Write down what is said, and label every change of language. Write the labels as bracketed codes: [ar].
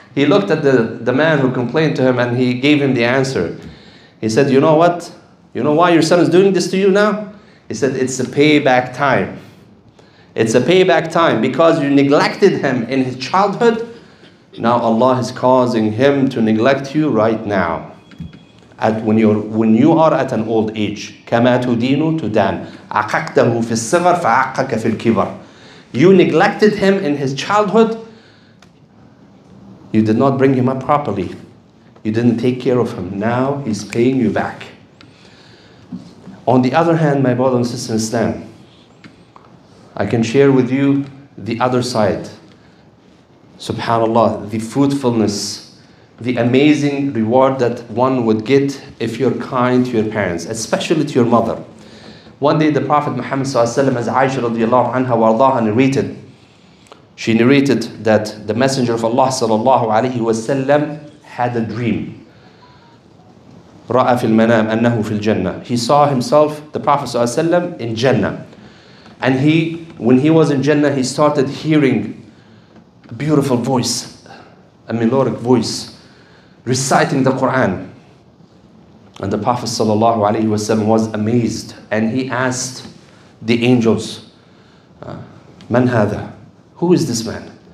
[en] He looked at the man who complained to him and he gave him the answer. He said, you know what? You know why your son is doing this to you now? He said, it's a payback time. It's a payback time because you neglected him in his childhood. Now Allah is causing him to neglect you right now. When you are at an old age, [ar] كَمَا تُدِينُ تُدَانْ عَقَقْتَهُ فِي الصِّغَرْ فَعَقَّكَ فِي الْكِبَرْ. [en] You neglected him in his childhood. You did not bring him up properly. You didn't take care of him. Now he's paying you back. On the other hand, my brother and sister in Islam, I can share with you the other side. Subhanallah, the fruitfulness, the amazing reward that one would get if you're kind to your parents, especially to your mother. One day the Prophet Muhammad ﷺ, as Aisha radiallahu anha wa ardaha narrated, she narrated that the Messenger of Allah sallallahu alayhi wa sallam had a dream. [ar] رأى في المنام أنه في الجنة. [en] He saw himself, the Prophet ﷺ, in Jannah. And when he was in Jannah, he started hearing a beautiful voice, a melodic voice, reciting the Quran. And the Prophet sallallahu alaihi wasallam was amazed, and he asked the angels, [ar] "Man hadha? [en] Who is this man?